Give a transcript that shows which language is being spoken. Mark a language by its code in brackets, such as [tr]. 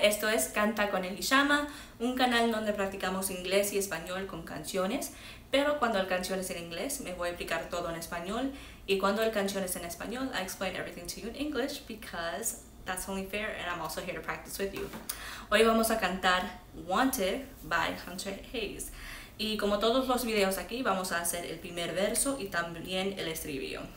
[es] Esto es Canta con el Ishama, un canal donde practicamos inglés y español con canciones. Pero cuando hay canciones en inglés, me voy a explicar todo en español. Y cuando hay canciones en español, [en] I explain everything to you in English because that's only fair and I'm also here to practice with you. [es] Hoy vamos a cantar Wanted by Hunter Hayes. Y como todos los videos aquí, vamos a hacer el primer verso y también el estribillo.